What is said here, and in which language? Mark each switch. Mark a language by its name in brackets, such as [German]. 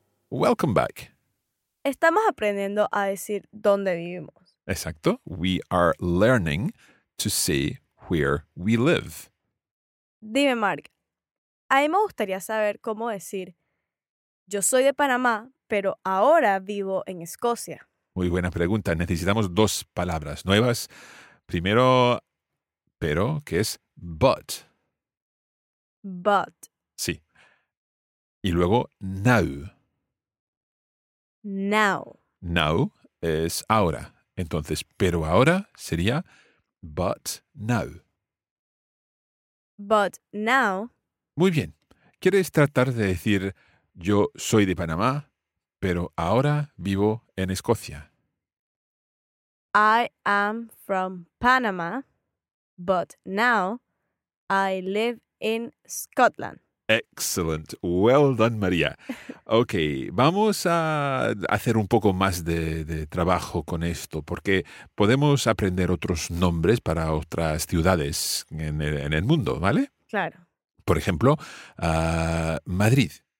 [English] Welcome back. [Spanish] Estamos aprendiendo a decir dónde vivimos. Exacto. [English] We are learning to say where we live. [Spanish] Dime, Mark. A mí me gustaría saber cómo decir yo soy de Panamá, pero ahora vivo en Escocia. Muy buena pregunta. Necesitamos dos palabras nuevas. Primero, pero, que es but. [English] But. [Spanish] Sí. Y luego, now. [English] Now. [Spanish] Now es ahora. Entonces, pero ahora sería [English] but now. But now. [Spanish] Muy bien. ¿Quieres tratar de decir yo soy de Panamá, pero ahora vivo en Escocia? [English] I am from Panama, but now I live in Scotland. Excellent. Well done, María. [Spanish] Ok, vamos a hacer un poco más de trabajo con esto, porque podemos aprender otros nombres para otras ciudades en el mundo, ¿vale? Claro. Por ejemplo, Madrid.